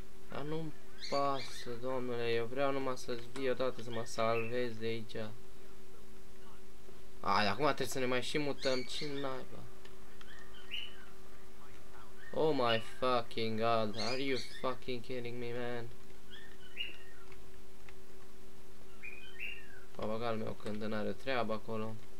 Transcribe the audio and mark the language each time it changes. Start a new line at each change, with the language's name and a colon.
Romanian: Dar nu-mi pasă, domnule, eu vreau numai să-ți vii odată să mă salvez de aici. A, dar acum trebuie să ne mai și mutăm, ce naiba.
English: Oh my fucking god, are you fucking kidding me, man?
Romanian: Papagalul meu când n-are treabă acolo.